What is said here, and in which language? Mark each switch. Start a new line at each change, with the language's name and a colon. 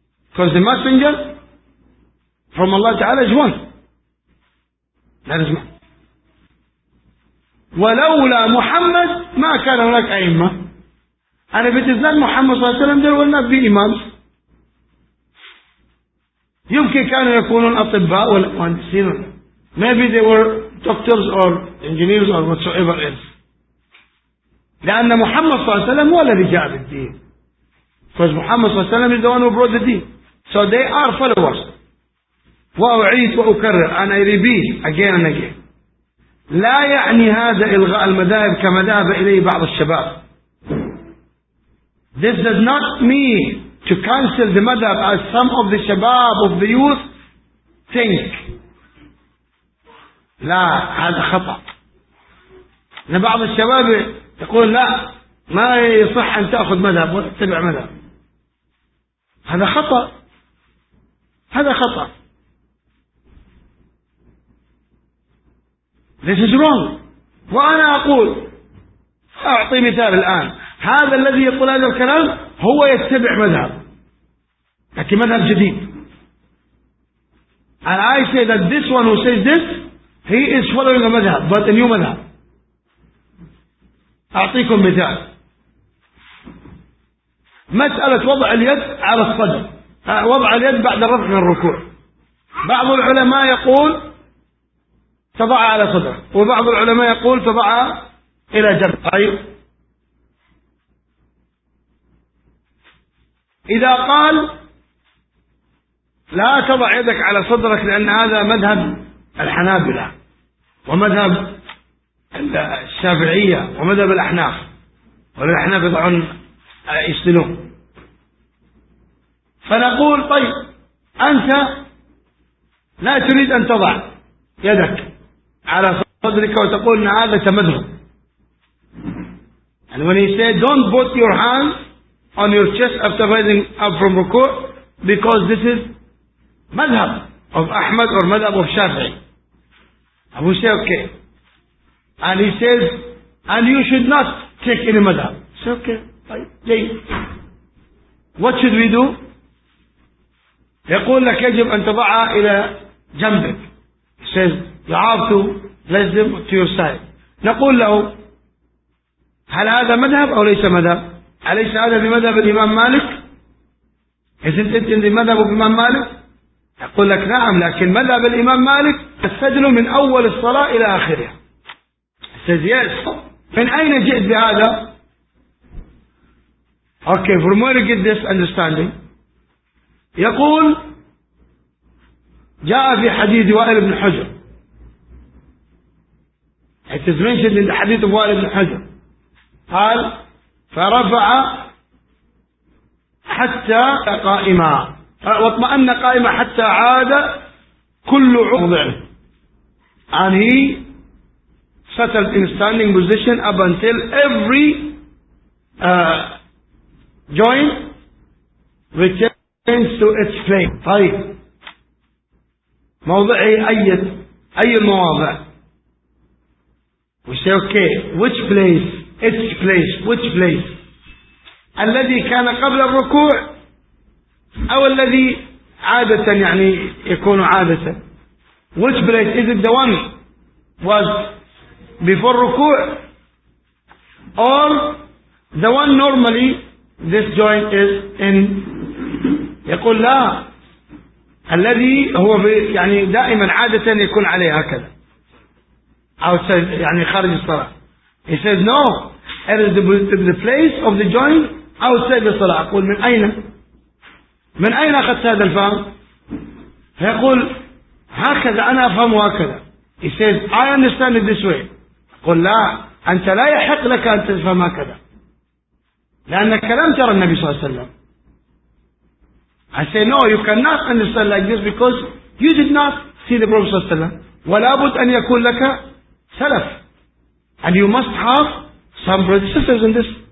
English: Because the messenger from Allah Ta'ala is one. That is one.
Arabic: ولولا محمد ما كان هناك أئمة. أنا بتزن محمد صلى الله عليه وسلم دلوا الناس بإمام. يمكن كانوا يكونون أطباء والمهندسين.
English: Maybe they were doctors or engineers or whatsoever else.
Arabic: لأن محمد صلى الله عليه وسلم هو الذي جاء بالدين.
English: Because
Arabic: محمد صلى الله عليه وسلم
English: is the one who brought the deen. So they are followers.
Arabic: وأعيد وأكرر.
English: And I repeat again and again.
Arabic: لا يعني هذا إلغاء المذاهب كما ذهب إليه بعض الشباب.
English: This does not mean to cancel the madhab as some of the shabab of the youth think.
Arabic: لا هذا خطأ. إن بعض الشباب يقول لا ما يصح أن تأخذ مذهب وتتبع مذهب. هذا خطأ. هذا خطأ.
English: This is wrong.
Arabic: وأنا أقول أعطي مثال الآن. هذا الذي يقول هذا الكلام هو يتبع مذهب لكن مذهب جديد.
English: And I say that this one who says this he is following a madhab but a new madhab.
Arabic: أعطيكم مثال. مسألة وضع اليد على الصدر. وضع اليد بعد الرفع من الركوع. بعض العلماء يقول تضعها على صدر. وبعض العلماء يقول تضعها إلى جنب. طيب. إذا قال لا تضع يدك على صدرك لأن هذا مذهب الحنابلة ومذهب الشافعية ومذهب الأحناف والأحناف يضعون يستلون فنقول طيب أنت لا تريد أن تضع يدك على صدرك وتقول أن هذا تمذهب.
English: And when he said don't put your hands on your chest after rising up from ركوع because this is madhab of Ahmad or madhab of Shafi'i. Abu say okay. And he says and you should not take any madhab. Say okay. Okay. What should we do?
Arabic: يقول لك يجب أن تضع إلى جنبك.
English: He says you have to place them to your side.
Arabic: نقول له هل هذا مذهب أو ليس مذهب؟ أليس هذا بمذهب الإمام مالك؟
English: Isn't it in the
Arabic: مذهب الإمام مالك؟ يقول لك نعم لكن مذهب الإمام مالك السجل من أول الصلاة إلى آخرها.
English: Says yes.
Arabic: من أين جئت بهذا؟
English: Okay, from where you get this understanding؟
Arabic: يقول جاء في حديث وائل بن حجر.
English: It is mentioned in the حديث وائل بن حجر.
Arabic: قال فرفع حتى قائما واطمأن قائما حتى عاد كل عضو.
English: And he settled in standing position up until every joint returns to its place.
Arabic: طيب موضعي أي المواضع.
English: We say okay which place. Its place. Which place?
Arabic: الذي كان قبل الركوع أو الذي عادة يعني يكون عادة.
English: Which place? Is it the one was before ركوع or the one normally this joint is in?
Arabic: يقول لا الذي هو يعني دائما عادة يكون عليه هكذا أو يعني خارج الصلاة.
English: He says no. It is the place of the joint outside the salah.
Arabic: أقول من أين؟ من أين أخذت هذا الفهم؟ فيقول هكذا أنا أفهم هكذا.
English: He says I understand it this way.
Arabic: أقول لا أنت لا يحق لك أن تفهم هكذا لأنك لم ترى النبي صلى الله عليه وسلم.
English: I say no you cannot understand like this because you did not see the Prophet
Arabic: صلى الله عليه وسلم. ولا بد أن يكون لك سلف.
English: And you must have some predecessors in this.